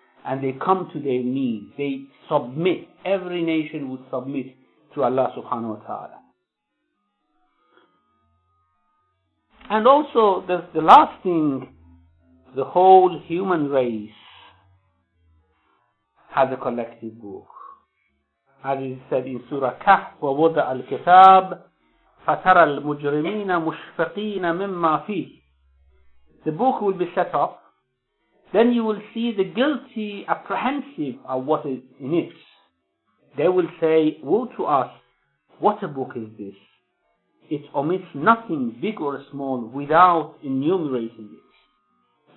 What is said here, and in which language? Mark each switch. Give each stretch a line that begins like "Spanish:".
English: And they come to their knees, they submit, every nation would submit to Allah subhanahu wa ta'ala. And also, the last thing, the whole human race has a collective book. As is said in Surah Kahf,
Arabic: وَوُضَعَ الْكِتَابِ فَتَرَى الْمُجْرِمِينَ مُشْفَقِينَ مِمَّا فِيهِ.
English: The book will be set up, then you will see the guilty apprehensive of what is in it. They will say, woe to us, what a book is this? It omits nothing big or small without enumerating it.